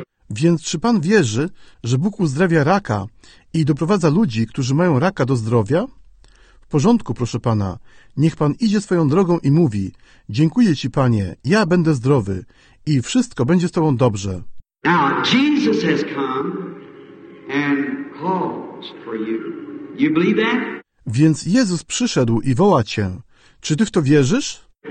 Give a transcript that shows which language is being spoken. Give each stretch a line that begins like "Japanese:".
Polish: Więc czy Pan wierzy, że Bóg uzdrawia raka i doprowadza ludzi, którzy mają raka, do zdrowia? W porządku, proszę Pana. Niech Pan idzie swoją drogą i mówi: dziękuję Ci, Panie, ja będę zdrowy i wszystko będzie z Tobą dobrze.
English: Now, Jesus has come and calls for you. You believe that?
Polish: Więc Jezus przyszedł i woła cię. Czy ty w to wierzysz?